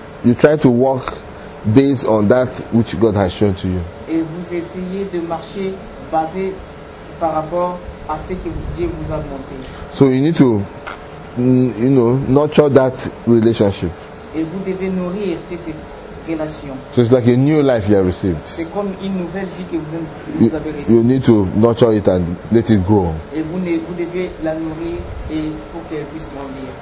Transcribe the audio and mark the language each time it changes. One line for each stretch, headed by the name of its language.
English: You try to walk based on that which God has shown to you.
French: Et vous essayez de marcher basé par rapport à ce que Dieu vous a montré.
English: So you need to, you know, nurture that relationship.
French: Et vous devez nourrir cette relation.
English: So it's like a new life you have received.
French: C'est comme une nouvelle vie que vous avez reçue.
English: You need to nurture it and let it grow.
French: Et vous devez la nourrir et pour qu'elle puisse grandir.